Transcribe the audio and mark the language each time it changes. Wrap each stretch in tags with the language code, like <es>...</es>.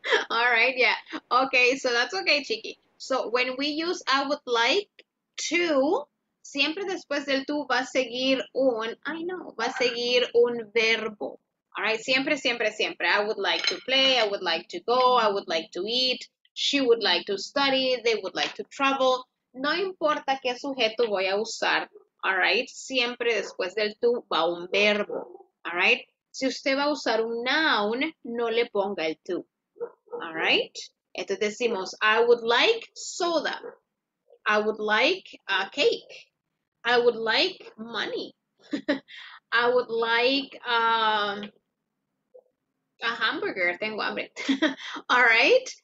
<en>All right, yeah. Okay, so that's okay, Chiqui. So when we use I would like to,</en> <es>siempre después del tú va a seguir un,</es> <en>I know,</en> <es>va a seguir un verbo.</es> <en>All right,</en> <es>siempre, siempre, siempre.</es> <en>I would like to play, I would like to go, I would like to eat, she would like to study, they would like to travel.</en> <es>No importa qué sujeto voy a usar,</es> <en>all right?</en> <es>Siempre después del tú va un verbo,</es> <en>all right?</en> <es>Si usted va a usar un noun, no le ponga el tú,</es> <en>all right?</en> <es>Entonces decimos,</es> <en>I would like soda, I would like a cake, I would like money. I would like a hamburger.</en> <es>Tengo hambre.</es> <en>All right.</en>